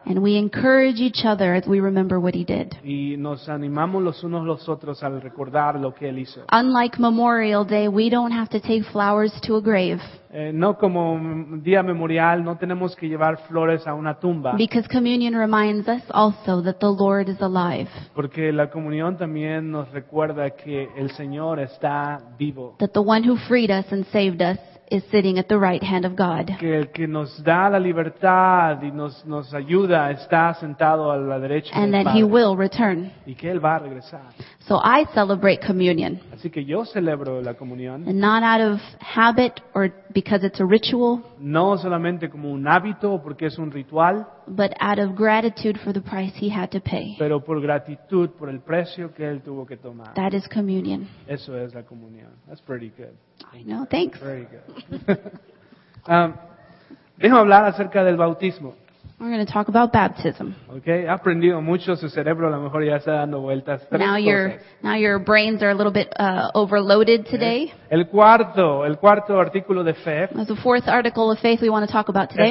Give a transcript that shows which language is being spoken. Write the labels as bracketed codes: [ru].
[en] And we encourage each other as we remember what he did. [es] Y nos animamos los unos los otros al recordar lo que él hizo. [en] Unlike Memorial Day, we don't have to take flowers to a grave. [es] No como día memorial, no tenemos que llevar flores a una tumba. [en] Because communion reminds us also that the Lord is alive. [es] Porque la comunión también nos recuerda que el Señor está vivo. [en] That the one who freed us and saved us is sitting at the right hand of God. [es] Que el que nos da la libertad y nos ayuda está sentado a la derecha del Padre. [en] And that he will return. [es] Y que él va a regresar. [en] So I celebrate communion. [es] Así que yo celebro la comunión. [en] And not out of habit or because it's a ritual. [es] No solamente como un hábito porque es un ritual. [en] But out of gratitude for the price he had to pay. [es] Pero por gratitud por el precio que él tuvo que tomar. [en] That is communion. [es] Eso es la comunión. [en] That's pretty good. I know, thanks. Very good. [es] Déjame hablar acerca del bautismo. [en] We're going to talk about baptism. [es] Okay, ha aprendido mucho, su cerebro a lo mejor ya está dando vueltas. [en] Now your brains are a little bit overloaded today. [es] El cuarto artículo de fe. [en] That's the fourth article of faith we want to talk about today.